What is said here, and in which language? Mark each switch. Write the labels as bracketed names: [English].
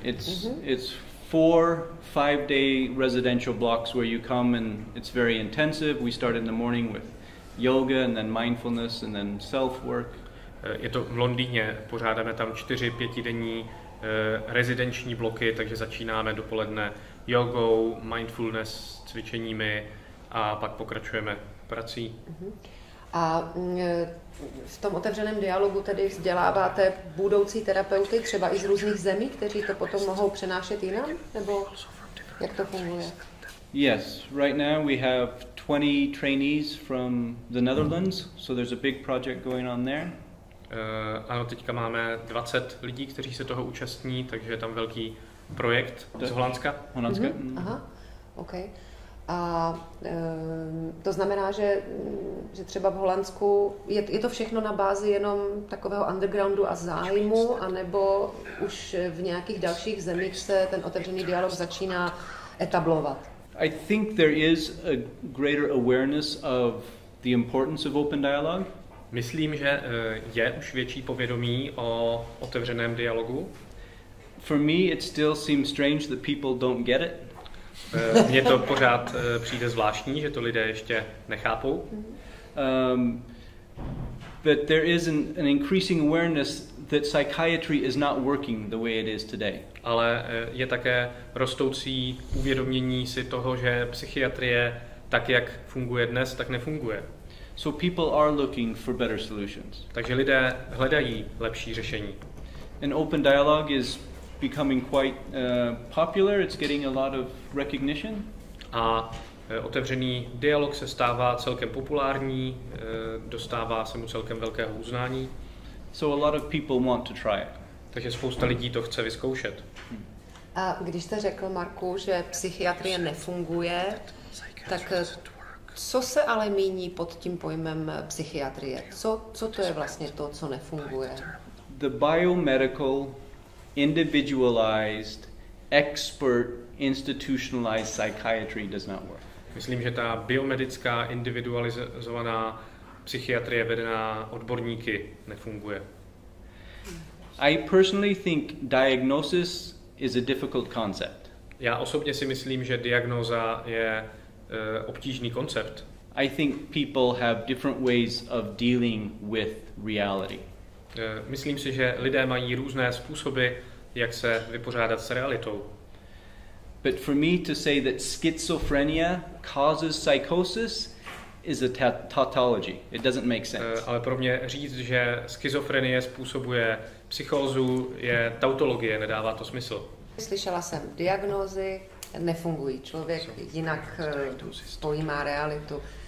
[English] It's 4-5-day residential blocks where you come and it's very intensive. We start in the morning with yoga and then mindfulness and then self-work. [Czech] Je to v Londýně. Pořádáme tam 4-5denní rezidenční bloky, takže začínáme dopoledne jogou, mindfulness, cvičeními a pak pokračujeme prací. A v tom otevřeném dialogu tedy vzděláváte budoucí terapeuty, třeba i z různých zemí, kteří to potom mohou přenášet jinam? Nebo jak to funguje? [English] Yes, right now we have 20 trainees from the Netherlands, so there's a big project going on there. [Czech] Ano, teďka máme 20 lidí, kteří se toho účastní, takže je tam velký projekt z Holandska. Holandska. Mm-hmm. Mm. Aha, ok. A to znamená, že třeba v Holandsku je to všechno na bázi jenom takového undergroundu a zájmu, anebo už v nějakých dalších zemích se ten otevřený dialog začíná etablovat? [English] I think there is a greater awareness of the importance of open dialogue. [Czech] Myslím, že je už větší povědomí o otevřeném dialogu. [English] For me it still seems strange that people don't get it. [Czech] Mně to pořád přijde zvláštní, že to lidé ještě nechápou. [English] But there is an increasing awareness that psychiatry is not working the way it is today. [Czech] Ale je také rostoucí uvědomění si toho, že psychiatrie tak jak funguje dnes, tak nefunguje. [English] So people are looking for better solutions. [Czech] Takže lidé hledají lepší řešení. [English] An open dialogue is becoming quite popular. It's getting a lot of recognition. [Czech] A otevřený dialog se stává celkem populární, dostává se mu celkem velkého uznání. [English] So a lot of people want to try it. [Czech] Takže spousta lidí to chce vyzkoušet. A když jste řekl, Marku, že psychiatrie nefunguje, tak co se ale míní pod tím pojmem psychiatrie? Co to je vlastně to, co nefunguje? [English] The biomedical, individualized, expert, institutionalized psychiatry does not work. [Czech] Myslím, že ta biomedická, individualizovaná psychiatrie vedená odborníky nefunguje. [English] I personally think diagnosis is a difficult concept. [Czech] Já osobně si myslím, že diagnóza je obtížný koncept. [English] I think people have different ways of dealing with reality. [Czech] Myslím si, že lidé mají různé způsoby, jak se vypořádat s realitou. [English] But for me to say that schizophrenia causes psychosis is a tautology. It doesn't make sense. [Czech] Ale pro mě říct, že schizofrenie způsobuje psychózu, je tautologie, nedává to smysl. Slyšela jsem diagnózy, nefungují. Člověk jinak pojímá realitu.